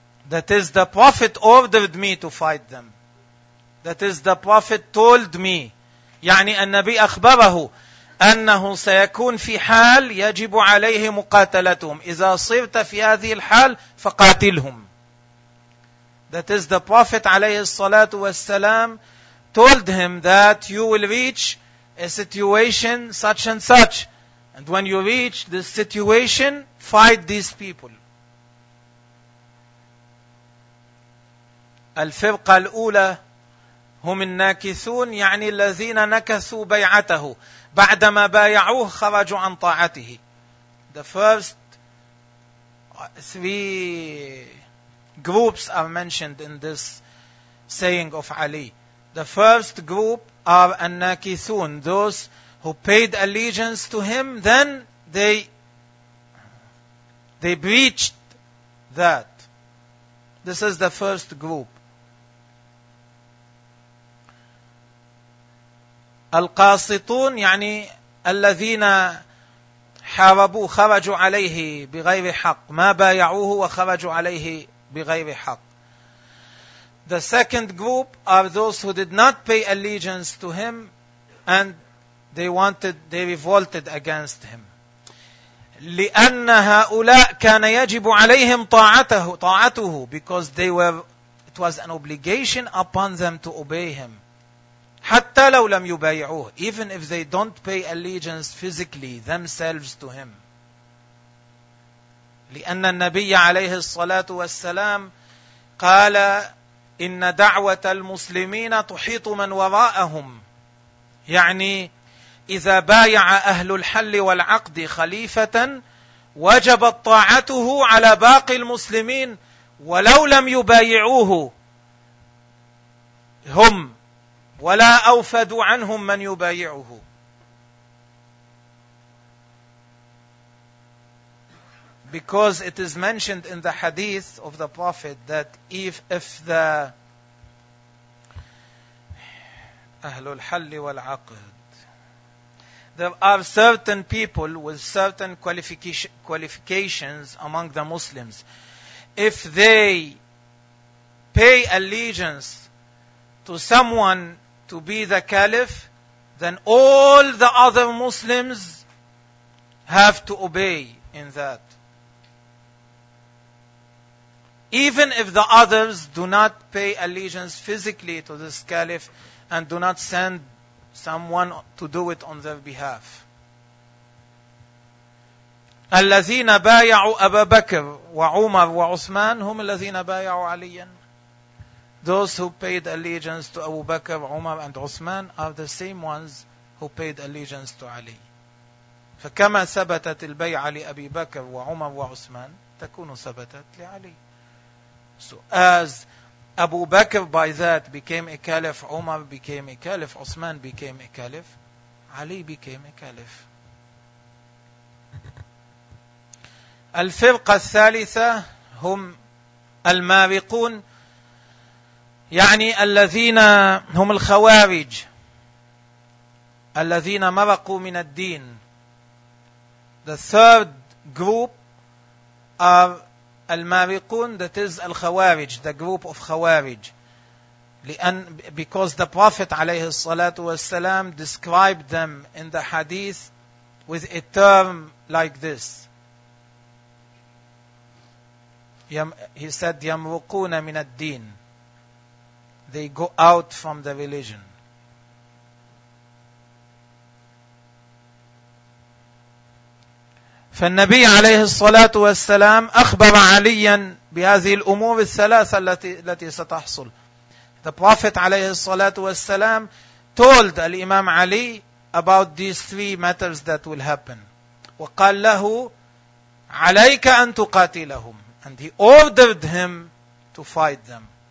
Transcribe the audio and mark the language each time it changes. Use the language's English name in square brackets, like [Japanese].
[English] That is, the Prophet ordered me to fight them. That is, the Prophet told me, [Arabic] يعني النبي أخبره أنه سيكون في حال يجب عليه مقاتلتهم. إذا صرت في هذه الحال فقاتلهم. [English] That is, the Prophet [Arabic] عليه الصلاة والسلام [English] told him that you will reach a situation such and such. And when you reach this situation, fight these people. [Arabic] الفرقة الأولى هم الناكثون يعني الذين نكثوا بيعته بعدما بايعوه خرجوا عن طاعته. [English] The first three groups are mentioned in this saying of Ali. The first group are an-nakithun, those who paid allegiance to him, then they breached that. This is the first group. [Arabic] Al-qasitun, يعني الذين حاربوا خرجوا عليه بغير حق. ما بايعوه وخرجوا عليه بغير حق. [English] The second group are those who did not pay allegiance to him and they revolted against him. [Arabic] لأن هؤلاء كان يجب عليهم طاعته, [English] because it was an obligation upon them to obey him. [Arabic] حتى لو لم يبايعوه, [English] even if they don't pay allegiance physically themselves to him. [Arabic] لأن النبي عليه الصلاة والسلام قال إن دعوة المسلمين تحيط من وراءهم, يعني إذا بايع أهل الحل والعقد خليفة وجبت طاعته على باقي المسلمين ولو لم يبايعوه هم ولا أوفد عنهم من يبايعه. [English] Because it is mentioned in the hadith of the Prophet that if the Ahlul Hal wal Aqd, there are certain people with certain qualifications among the Muslims, if they pay allegiance to someone to be the caliph, then all the other Muslims have to obey in that. Even if the others do not pay allegiance physically to this caliph and do not send someone to do it on their behalf. [Arabic] الذين بايعوا أبا بكر وعمر وعثمان هم الذين بايعوا عليا. [English] Those who paid allegiance to Abu Bakr, Umar and Uthman are the same ones who paid allegiance to Ali. [Arabic] فكما ثبتت البيعة لأبي بكر وعمر وعثمان تكون ثبتت لعلي. [English] So as Abu Bakr by that became a caliph, Umar became a caliph, Uthman became a caliph, Ali became a caliph. [Arabic] Al-firqa al-thalitha hum al-mariqun, يعني الذين هم الخوارج الذين مرقوا من الدين. [English] The third group are المارقون, that is الخوارج, the group of خوارج. Because the Prophet [Arabic] عليه الصلاة والسلام [English] described them in the hadith with a term like this. He said [Arabic] يمرقون من الدين, [English] they go out from the religion. [Arabic] فالنبي عليه الصلاة والسلام أخبر عليا بهذه الأمور الثلاثة التي ستحصل. [English] The Prophet [Arabic] عليه الصلاة والسلام [English] told الإمام علي about these three matters that will happen. [Arabic] وقال له عليك أن تقاتلهم. [English] And he ordered him to fight them.